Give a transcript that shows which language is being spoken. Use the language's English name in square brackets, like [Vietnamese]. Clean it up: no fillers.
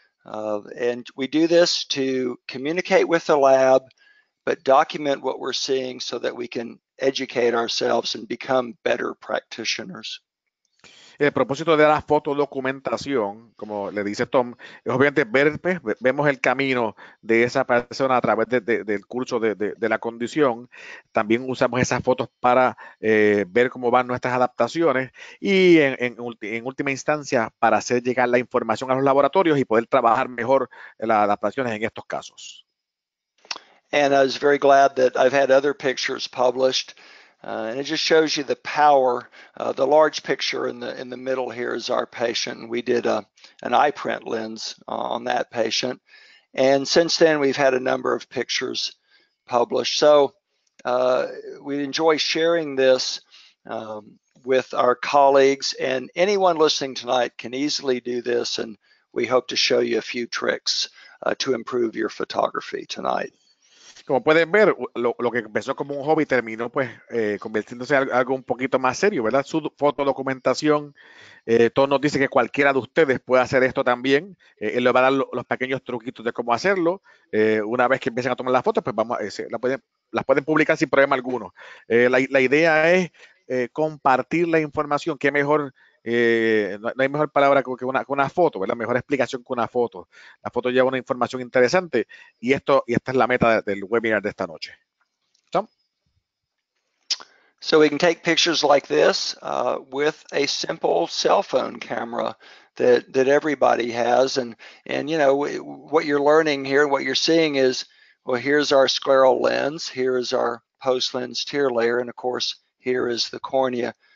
[English] And we do this to communicate with the lab, but document what we're seeing so that we can educate ourselves and become better practitioners. [Spanish] El propósito de la fotodocumentación, como le dice Tom, es obviamente ver, pues, vemos el camino de esa persona a través del curso de la condición. También usamos esas fotos para ver cómo van nuestras adaptaciones y en última instancia para hacer llegar la información a los laboratorios y poder trabajar mejor las adaptaciones en estos casos. [English] And I was very glad that I've had other pictures published. And it just shows you the power. The large picture in the middle here is our patient. We did an eye print lens on that patient. And since then, we've had a number of pictures published. So we enjoy sharing this with our colleagues. And anyone listening tonight can easily do this. And we hope to show you a few tricks to improve your photography tonight. [Spanish] Como pueden ver, lo que empezó como un hobby terminó pues convirtiéndose en algo un poquito más serio, ¿verdad? Su fotodocumentación, todo nos dice que cualquiera de ustedes puede hacer esto también. Él les va a dar los pequeños truquitos de cómo hacerlo. Una vez que empiecen a tomar las fotos, pues las pueden publicar sin problema alguno. La idea es compartir la información. ¿Qué mejor? No hay mejor palabra que una foto, ¿verdad? Mejor explicación que una foto. La foto lleva una información interesante y esta es la meta del webinar de esta noche. [English] Tom. So we can take pictures like this with a simple cell phone camera. that everybody has. And you know, what you're learning here, what you're seeing is, well, here's our scleral lens, here is our post-lens tear layer, and of course, here is the cornea.